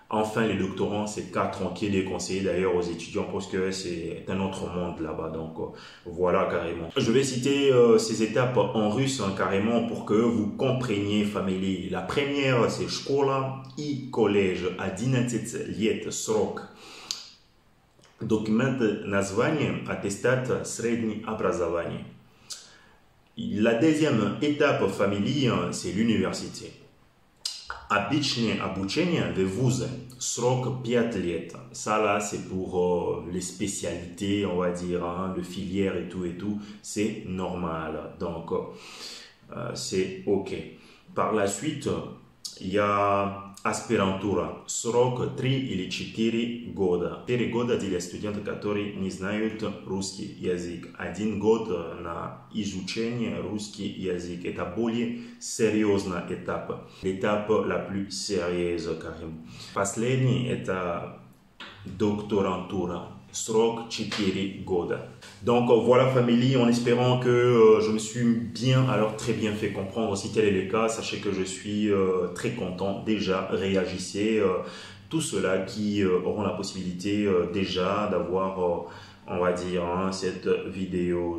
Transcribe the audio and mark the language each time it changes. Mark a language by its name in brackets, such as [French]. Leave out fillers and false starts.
[French] Enfin, les doctorants, c'est 4 ans qui est déconseillé d'ailleurs aux étudiants parce que c'est un autre monde là-bas. Donc, voilà carrément. Je vais citer ces étapes en russe carrément pour que vous compreniez, famille. La première, c'est [Russian] школа и [French] collège, [Russian] 11 лет срок. Документ название, аттестат среднее образование. [French] La deuxième étape familiale, c'est l'université. [Russian] Обычные обучения в ВУЗе срок 5 лет. [French] Ça là, c'est pour les spécialités, on va dire, hein, le filière et tout, c'est normal. Donc, c'est OK. Par la suite, il y a aspirantura, [Russian] срок 3 или 4 года. 4 года для студентов, которые не знают русский язык. 1 год на изучение русского языка. Это более серьезная этапа. [French] L'étape la plus sérieuse, carrément. [Russian] Последний это докторантура, срок 4 года. [French] Donc voilà famille, en espérant que je me suis bien, alors très bien fait comprendre. Si tel est le cas, sachez que je suis très content. Déjà, réagissez. Tous ceux-là qui auront la possibilité déjà d'avoir, on va dire, hein, cette vidéo.